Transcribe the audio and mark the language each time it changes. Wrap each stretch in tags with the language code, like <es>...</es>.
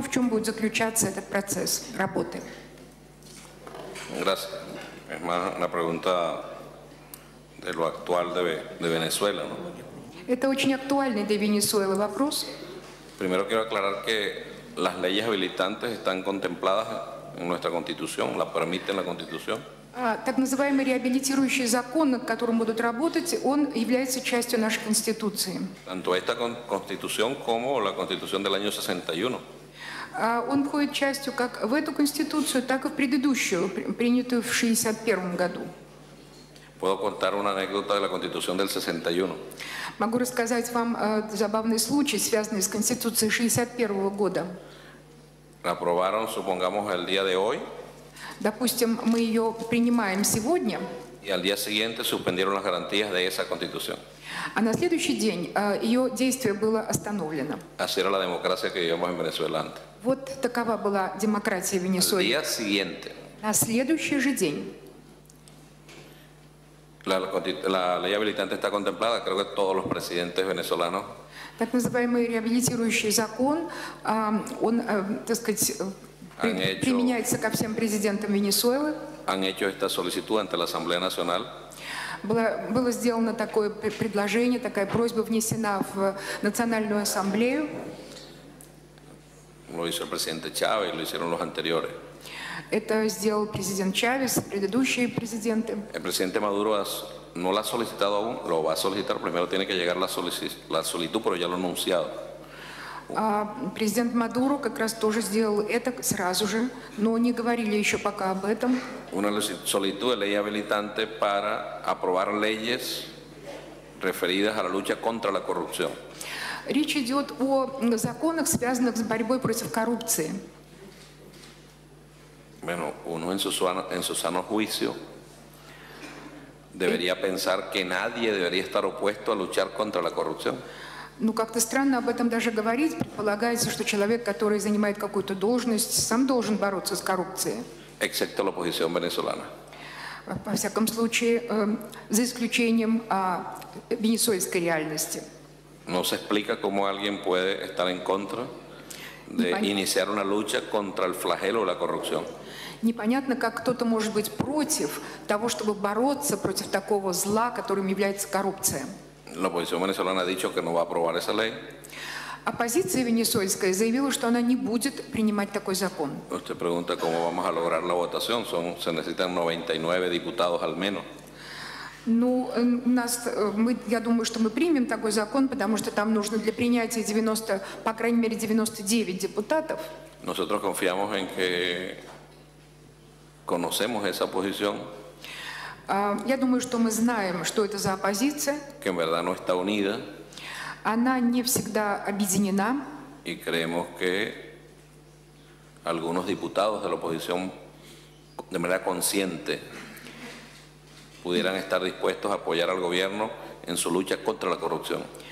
<ru>В чем будет заключаться этот процесс работы?</ru> <es>Gracias. Es más una pregunta de lo actual de Venezuela, ¿no?</es> <ru>Это очень актуальный для Венесуэлы вопрос.</ru> <es>Primero quiero aclarar que las leyes habilitantes están contempladas en nuestra Constitución, la permite la Constitución.</es> <ru>Так называемый реабилитирующий закон, над которым будут работать, он является частью нашей Конституции.</ru> <es>Tanto esta Constitución como la Constitución del año 61.</es> <ru>Он входит частью как в эту Конституцию, так и в предыдущую, принятую в 61 году.</ru> <es>Puedo contar una anécdota de la Constitución del 61.</es> <ru>Могу рассказать вам забавный случай, связанный с Конституцией 61 года.</ru> <es>Aprobaron, supongamos, el día de hoy.</es> <ru>Допустим, мы ее принимаем сегодня.</ru> <es>Y al día siguiente suspendieron las garantías de esa Constitución.</es> <ru>А на следующий день ее действие было остановлено.</ru> <es>Así era la democracia que vivíamos en Venezuela antes.</es> <ru>Вот такова была демократия Венесуэлы.</ru> <es>Al día siguiente.</es> <ru>На следующий же день.</ru> <es>La ley habilitante está contemplada, creo que todos los presidentes venezolanos.</es> <ru>Так называемый реабилитирующий закон, он, так сказать, применяется ко всем президентам Венесуэлы.</ru> <es>Han hecho esta solicitud ante la Asamblea Nacional.</es> <ru>Было сделано такое предложение, такая просьба внесена в Национальную Ассамблею.</ru> <es>Lo hizo el presidente Chávez, lo hicieron los anteriores.</es> <ru>Это сделал президент Чавес, предыдущие президенты.</ru> <es>El presidente Maduro no lo ha solicitado aún, lo va a solicitar, primero tiene que llegar la solicitud, pero ya lo ha anunciado.</es> <ru>Президент Мадуро как раз тоже сделал это сразу же, но не говорили еще пока об этом.</ru> <es>Una solicitud de ley habilitante para aprobar leyes referidas a la lucha contra la corrupción.</es> <ru>Речь идет о законах, связанных с борьбой против коррупции.</ru> <es>Bueno, uno en su sano juicio debería pensar que nadie debería estar opuesto a luchar contra la corrupción.</es> <ru>Ну, как-то странно об этом даже говорить. Предполагается, что человек, который занимает какую-то должность, сам должен бороться с коррупцией.</ru> <es>Excepto la oposición venezolana.</es> <ru>Во всяком случае, за исключением венесуэльской реальности.</ru> <es>No se explica cómo alguien puede estar en contra de iniciar una lucha contra el flagelo de la corrupción.</es> <ru>Непонятно, как кто-то может быть против того, чтобы бороться против такого зла, которым является коррупция.</ru> <es>La oposición venezolana ha dicho que no va a aprobar esa ley.</es> <ru>Оппозиция венесуэльская заявила, что она не будет принимать такой закон.</ru> <es>Usted pregunta cómo vamos a lograr la votación. Se necesitan 99 diputados al menos.</es> <ru>Ну, я думаю, что мы примем такой закон, потому что там нужно для принятия 90, по крайней мере, 99 депутатов.</ru> <es>Nosotros confiamos en que conocemos esa posición.</es> <ru>Я думаю, что мы знаем, что это за оппозиция.</ru> <es>Que en verdad no está unida.</es> <ru>Она не всегда объединена.</ru> <es>Y creemos que algunos diputados de la oposición, de manera consciente, pudieran estar dispuestos a apoyar al gobierno en su lucha contra la corrupción.</es>